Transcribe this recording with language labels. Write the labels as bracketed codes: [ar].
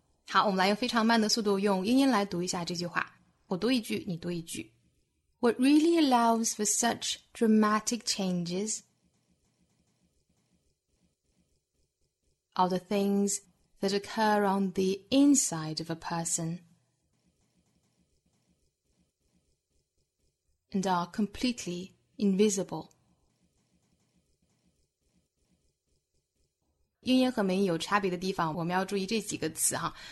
[zh] 好，我们来用非常慢的速度用英音来读一下这句话，我读一句你读一句。 [en] What really allows for such dramatic changes are the things that occur on the inside of a person and are completely invisible. [zh] 英音和美音有差别的地方，我们要注意这几个词哈。